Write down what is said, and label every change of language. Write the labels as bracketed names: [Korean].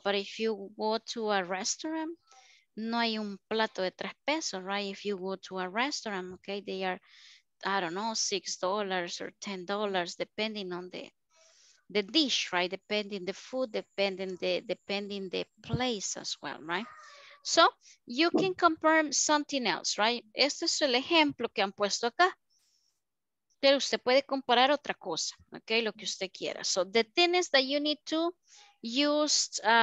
[English] But if you go to a restaurant, [Spanish] no hay un plato de tres pesos, [English] right? If you go to a restaurant, okay, they are, I don't know, $6 or $10, depending on the dish, right? Depending the food, depending the place as well, right? So you can compare something else, right? [Spanish] Este es el ejemplo que han puesto acá. Pero usted puede comparar otra cosa, okay, lo que usted quiera. [English] So the thing is that you need to use...